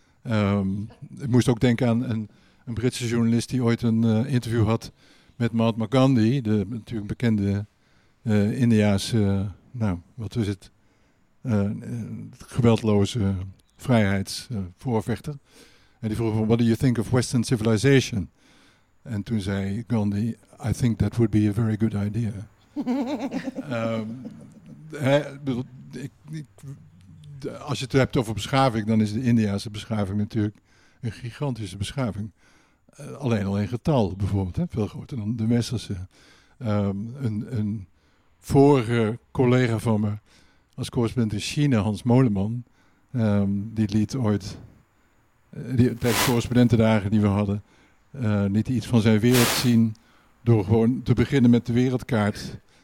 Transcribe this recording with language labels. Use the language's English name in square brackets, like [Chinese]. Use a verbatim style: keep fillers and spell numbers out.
[Dutch] Um, ik moest ook denken aan een, een Britse journalist die ooit een uh, interview had met Mahatma Gandhi, de natuurlijk bekende uh, Indiaanse, uh, nou wat is het, uh, geweldloze vrijheidsvoorvechter. Uh, en die vroeg van, [English] what do you think of Western civilization? [Dutch] En toen zei Gandhi, [English] I think that would be a very good idea. [Dutch] um, He, bedoel, ik, ik, als je het hebt over beschaving, dan is de Indiaanse beschaving natuurlijk een gigantische beschaving. Uh, alleen al in getal bijvoorbeeld, hè, veel groter dan de westerse. Um, een, een vorige collega van me als correspondent in China, Hans Moleman, um, die liet ooit, die, tijdens de correspondentendagen die we hadden, uh, liet iets van zijn wereld zien door gewoon te beginnen met de wereldkaart.